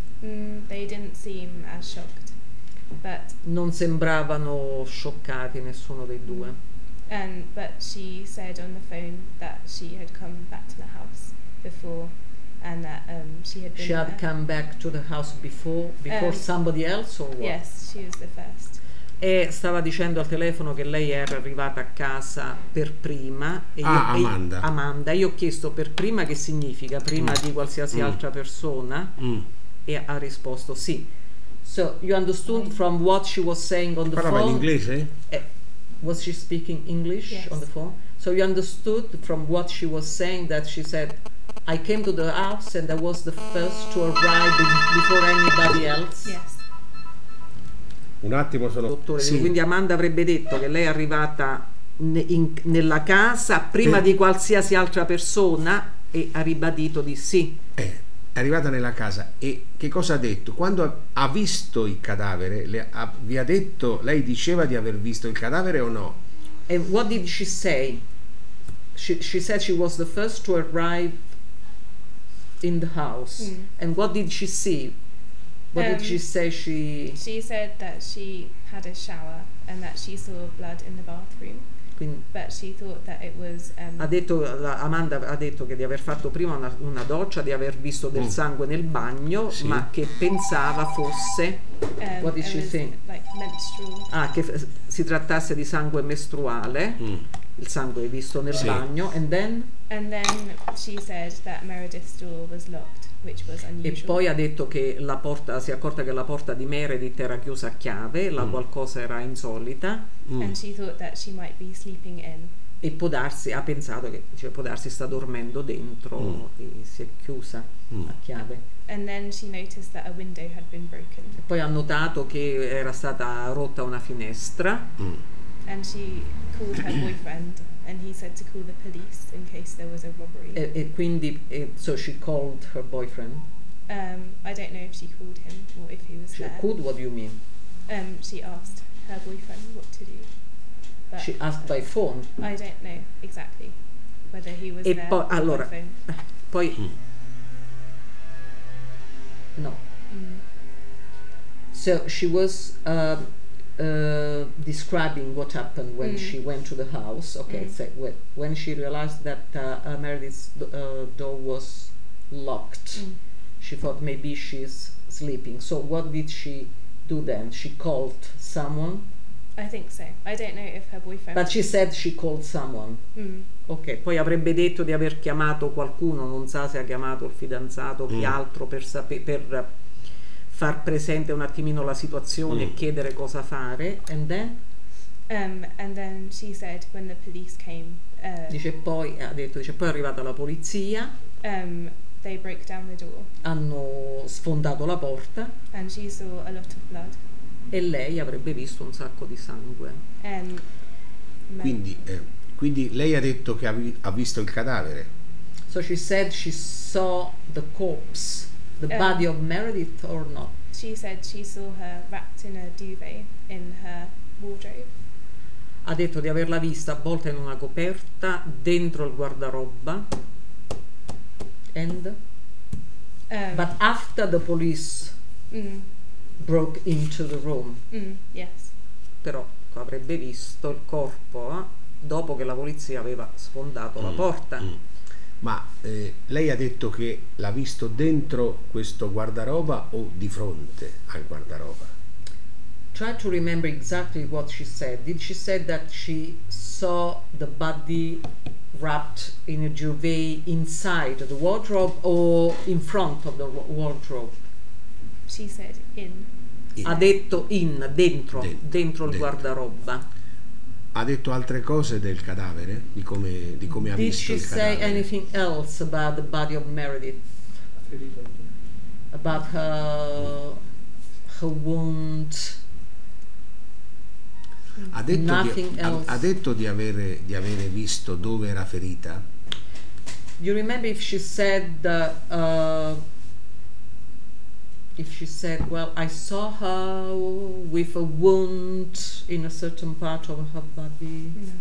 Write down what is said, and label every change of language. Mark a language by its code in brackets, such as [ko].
[en] They didn't seem as shocked, but [it] non sembravano scioccati nessuno dei due. [en] But she said on the phone that she had come back to the house before, and that she had been she Had come back to the house before somebody else, or what? Yes, she was the first. [it] E stava dicendo al telefono che lei era arrivata a casa per prima. E ah, io, Amanda. Amanda, io ho chiesto per prima che significa, prima di qualsiasi altra persona, e ha risposto sì. [en] So, you understood from what she was saying on the [it] parlava [en] phone? [it] Parlava in inglese? [en] Was she speaking English on the phone? So, you understood from what she was saying that she said, I came to the house and I was the first to arrive before anybody else? Yes. [it] Un attimo, sono dottore. Sì. Quindi Amanda avrebbe detto che lei è arrivata nella casa prima di qualsiasi altra persona e ha ribadito di sì. È arrivata nella casa e che cosa ha detto? Quando ha visto il cadavere, vi ha detto, lei diceva di aver visto il cadavere o no? [en] And what did she say? She said she was the first to arrive in the house. And what did she see? What did she say? She said that she had a shower and that she saw blood in the bathroom. [it] Quindi, [en] but she thought that it was, [it] ha detto, Amanda ha detto che di aver fatto prima una doccia, di aver visto del sangue nel bagno, sì, ma che pensava fosse [en] what is she think? [it] Ah, che si trattasse di sangue mestruale, il sangue visto nel bagno, [en] and then? And then she said that Meredith's door was locked, which was unusual. [it] E poi ha detto che la porta, si è accorta che la porta di Meredith era chiusa a chiave, la qualcosa era insolita. [en] And she thought that she might be sleeping in. [it] E può darsi, ha pensato che, cioè, può darsi sta dormendo dentro e si è chiusa a chiave. [en] And then she noticed that a window had been broken. [it] E poi ha notato che era stata rotta una finestra. [en] And she called her boyfriend. And he said to call the police in case there was a robbery. [it] E quindi, [en] so she called her boyfriend. I don't know if she called him or if he was she there. She called. What do you mean? She asked her boyfriend what to do. But she asked by phone. I don't know exactly whether he was [it] e [en] there [it] poi, [en] or [it] allora, [en] by phone. [it] Poi no. [en] So she was. Describing what happened when she went to the house. Okay, so when she realized that Meredith's door was locked, she thought maybe she's sleeping. So what did she do then? She called someone? I think so. I don't know if her boyfriend... But she said she called someone. [it] Okay, poi avrebbe detto di aver chiamato qualcuno, non sa se ha chiamato il fidanzato o chi altro per sapere... far presente un attimino la situazione e chiedere cosa fare, [en] and then? And then she said when the police came, [it] dice poi, ha detto, dice poi è arrivata la polizia, [en] they broke down the door, [it] hanno sfondato la porta, [en] and she saw a lot of blood, [it] e lei avrebbe visto un sacco di sangue. Quindi, quindi lei ha detto che ha visto il cadavere. [en] So she said she saw the corpse. The body of Meredith or not? She said she saw her wrapped in a duvet in her wardrobe. [it] Ha detto di averla vista avvolta in una coperta dentro il guardaroba. [en] And? But after the police broke into the room. Yes. [it] Però avrebbe visto il corpo dopo che la polizia aveva sfondato la porta. Ma lei ha detto che l'ha visto dentro questo guardaroba o di fronte al guardaroba? [en] Try to remember exactly what she said. Did she say that she saw the body wrapped in a duvet inside the wardrobe or in front of the wardrobe? She said in. [it] Ha detto in, dentro il guardaroba. Ha detto altre cose del cadavere, di come [en] did [it] ha visto il cadavere. [en] Did she say anything else about the body of Meredith? About her wound. [it] Ha detto [en] nothing [it] di, else. Ha detto di avere visto dove era ferita. [en] Do you remember if she said well, I saw her with a wound in a certain part of her body.